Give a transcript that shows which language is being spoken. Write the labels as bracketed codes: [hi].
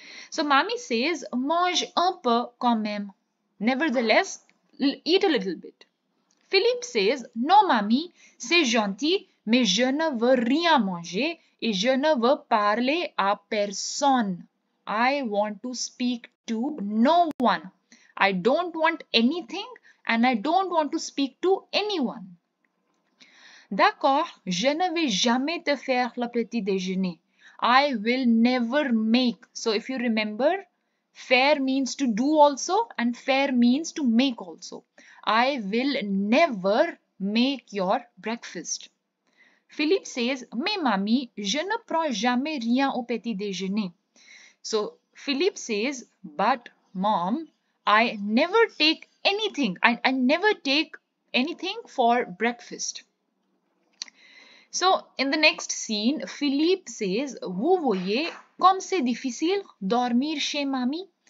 [en] So, mami says, [fr] mange un peu quand même. [en] Nevertheless, eat a little bit. Philippe says, [fr] non, mami, c'est gentil, mais je ne veux rien manger et je ne veux parler à personne. [en] I want to speak to no one. I don't want anything and I don't want to speak to anyone. [fr] D'accord, je ne vais jamais te faire le petit déjeuner. [en] I will never make. So, if you remember, faire means to do also and faire means to make also. I will never make your breakfast. Philippe says, [fr] mais mami, je ne prends jamais rien au petit déjeuner. [en] So Philip says, but mom, I never take anything. I never take anything for breakfast. So in the next scene, Philip says, [fr] vous voyez comme c'est difficile dormir chez mamie?